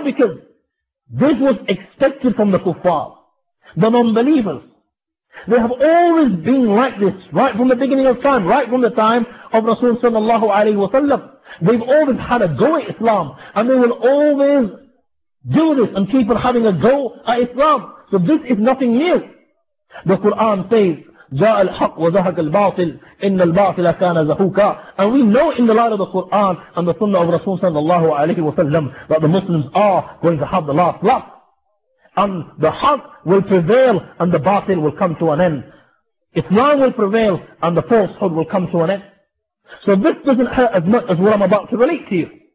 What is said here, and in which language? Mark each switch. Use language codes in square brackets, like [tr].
[en] Because this was expected from the kuffar, the non-believers. They have always been like this, right from the beginning of time, right from the time of Rasul sallallahu alayhi wa sallam. They've always had a go at Islam, and they will always do this and keep on having a go at Islam. So this is nothing new. The Quran says, [ar] جَاءَ الْحَقْ وَزَهَقَ الْبَاطِلِ إِنَّ الْبَاطِلَ كَانَ زَهُوكَ. [en] And we know in the light of the Quran and the Sunnah of Rasul sallallahu alayhi wa sallam that the Muslims are going to have the last laugh. And the Haqq will prevail and the Baatil will come to an end. Islam will prevail and the falsehood will come to an end. So this doesn't hurt as much as what I'm about to relate to you.